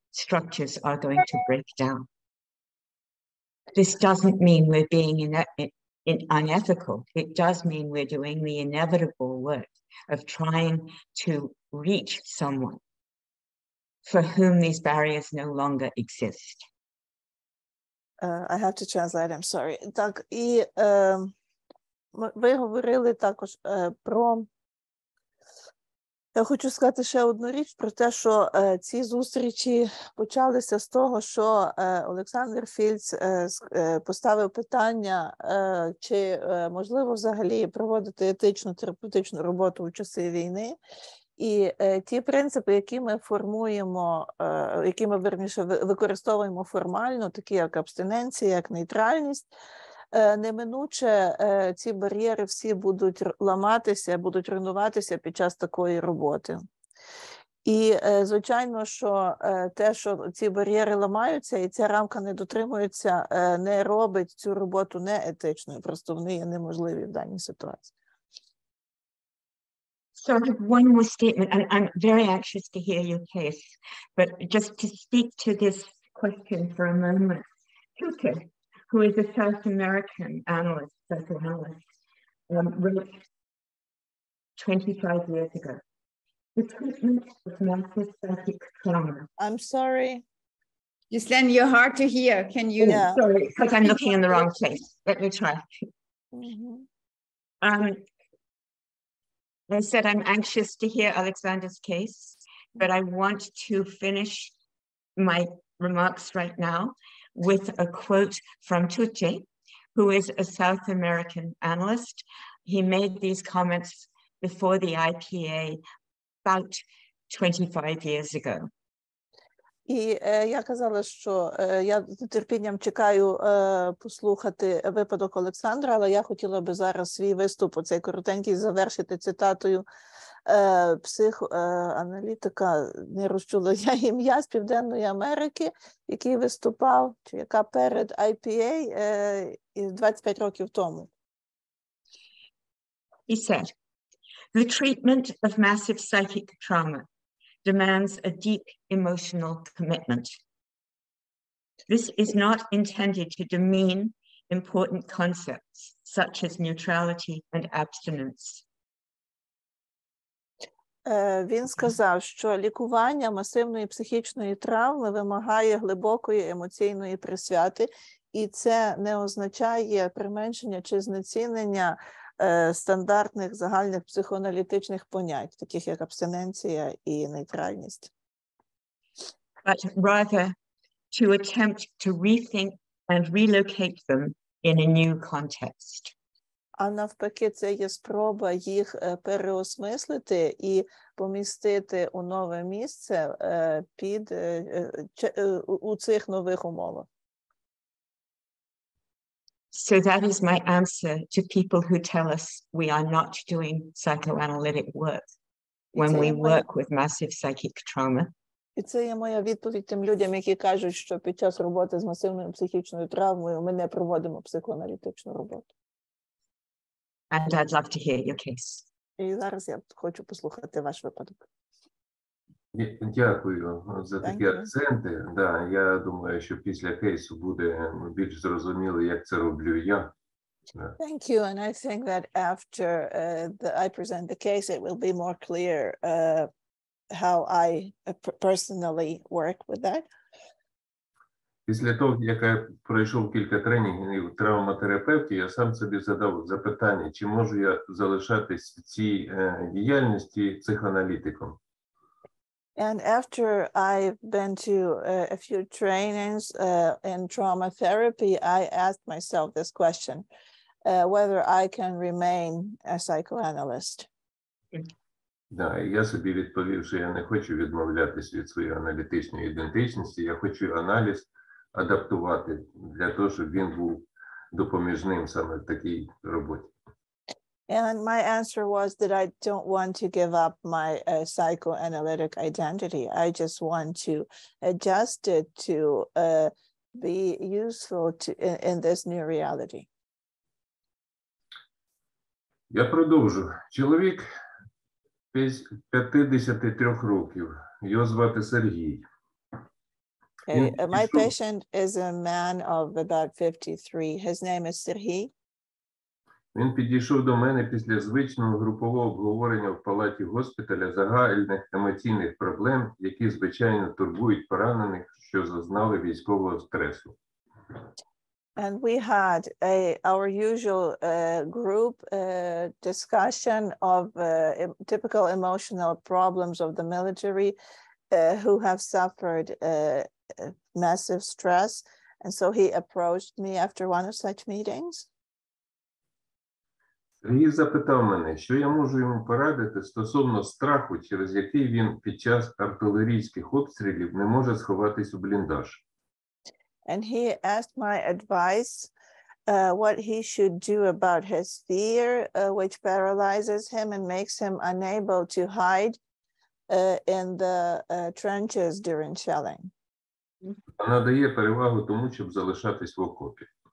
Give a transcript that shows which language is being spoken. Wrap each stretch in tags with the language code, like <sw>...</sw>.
<en>Structures are going to break down. This doesn't mean we're being unethical. It does mean we're doing the inevitable work of trying to reach someone for whom these barriers no longer exist. I have to translate, I'm sorry.</en> <uk>Так, і ви говорили також про... Я хочу сказати ще одну річ про те, що ці зустрічі почалися з того, що Олександр Філц поставив питання, чи можливо взагалі проводити етичну, терапевтичну роботу у часи війни. І ті принципи, які ми формуємо, які ми, верніше, використовуємо формально, такі як абстиненція, як нейтральність, неминуче ці бар'єри всі будуть ламатися, будуть руйнуватися під час такої роботи. І, звичайно, що те, що ці бар'єри ламаються і ця рамка не дотримується, не робить цю роботу неетичною, просто вони є неможливі в даній ситуації.</uk> <en>So I have one more statement, and I'm very anxious to hear your case, but just to speak to this question for a moment. Filts, who is a South American analyst, psychoanalyst, wrote 25 years ago, the treatment of narcissistic trauma. I'm sorry. Ghislaine, you're hard to hear. Can you? Yeah. Sorry, because I'm looking in the wrong place. Let me try. I said I'm anxious to hear Alexander's case, but I want to finish my remarks right now with a quote from Tucci, who is a South American analyst. He made these comments before the IPA about 25 years ago.</en> <uk>І я казала, що я з нетерпінням чекаю послухати випадок Олександра, але я хотіла би зараз свій виступ оцей коротенький завершити цитатою психоаналітика, не розчула я ім'я, з Південної Америки, який виступав, чи яка перед IPA 25 років тому.</uk> <en>He said, the treatment of massive psychic trauma demands a deep emotional commitment. This is not intended to demean important concepts such as neutrality and abstinence.</en> <uk>Він сказав, що лікування масивної психічної травми вимагає глибокої емоційної присвяти, і це не означає применшення чи знецінення стандартних загальних психоаналітичних понять, таких як абстиненція і нейтральність.</uk> <en>But rather to attempt to rethink and relocate them in a new context.</en> <uk>А навпаки, це є спроба їх переосмислити і помістити у нове місце під у цих нових умовах.</uk> <en>So that is my answer to people who tell us we are not doing psychoanalytic work when we work with massive psychic trauma.</en> <uk>І це є моя відповідь тим людям, які кажуть, що під час роботи з масивною психічною травмою ми не проводимо психоаналітичну роботу.</uk> <en>And I'd love to hear your case.</en> <uk>І зараз я хочу послухати ваш випадок. Дякую за такі акценти. Да, я думаю, що після кейсу буде більш зрозуміло, як це роблю я.</uk> <en>Thank you, and I think that after I present the case, it will be more clear how I personally work with that.</en> <uk>Після того, як я пройшов кілька тренінгів травматерапевтів, я сам собі задав запитання, чи можу я залишатись в цій діяльності психоаналітиком.</uk> <en>And after I've been to a few trainings in trauma therapy, I asked myself this question, whether I can remain a psychoanalyst.</en> <uk>Да, я собі відповів, що я не хочу відмовлятися від своєї аналітичної ідентичності. Я хочу аналіз адаптувати для того, щоб він був допоміжним саме в такій роботі.</uk> <en>And my answer was that I don't want to give up my psychoanalytic identity. I just want to adjust it to be useful to in this new reality.</en> <uk>Я продовжу. Чоловік 53 років. Його звати Сергій.</uk> <en>My patient is a man of about 53. His name is Сергій.</en> <uk>Він підійшов до мене після звичного групового обговорення в палаті госпіталя загальних емоційних проблем, які, звичайно, турбують поранених, що зазнали військового стресу.</uk> <en>And we had our usual group discussion of typical emotional problems of the military who have suffered massive stress. And so he approached me after one of such meetings.</en> <uk>Сергій запитав мене, що я можу йому порадити стосовно страху, через який він під час артилерійських обстрілів не може сховатись у бліндаж.</uk> <en>And he asked my advice, what he should do about his fear, which paralyzes him and makes him unable to hide in the trenches during shelling.</en> <uk>Вона дає перевагу тому, щоб залишатись в окопі.</uk>